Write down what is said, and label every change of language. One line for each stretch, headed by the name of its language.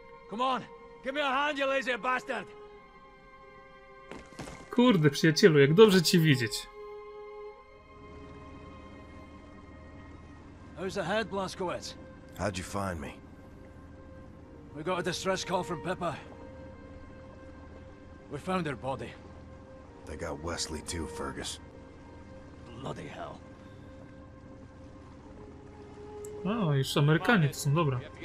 English: Come on, give me a hand, you lazy bastard!
Polish: Kurde, przyjacielu, jak dobrze cię widzieć.
English: How's the head, Blazkowicz? How'd you find me? We got a distress call from Pippa. We found her body. They got Wesley too, Fergus. Bloody hell.
Polish: No, już Amerykanie, to są dobra.